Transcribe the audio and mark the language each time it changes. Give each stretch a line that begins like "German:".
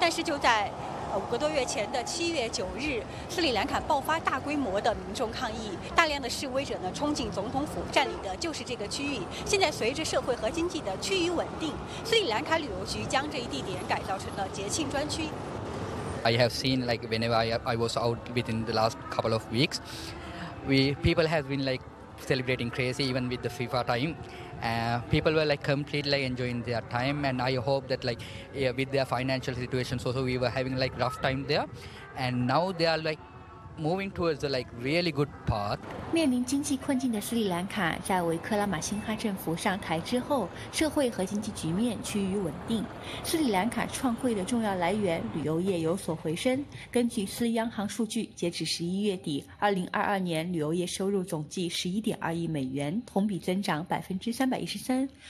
Chinese: 但是就在5个多月前的7月9日，斯里兰卡爆发大规模的民众抗议，大量的示威者呢冲进总统府，占领的就是这个区域。现在随着社会和经济的趋于稳定，斯里兰卡旅游局将这一地点改造成了节庆专区。
English: I have seen like whenever I was out within the last couple of weeks, people have been like celebrating crazy even with the FIFA time. People were like completely enjoying their time, and I hope that like yeah, with their financial situation, so we were having like rough time there, and now they are like moving towards the like really good part.
Chinese: 面临经济困境的斯里兰卡，在维克拉玛辛哈政府上台之后，社会和经济局面趋于稳定。斯里兰卡创汇的重要来源旅游业有所回升。根据斯里央行数据，截止11月底，2022年旅游业收入总计11.2亿美元，同比增长313%。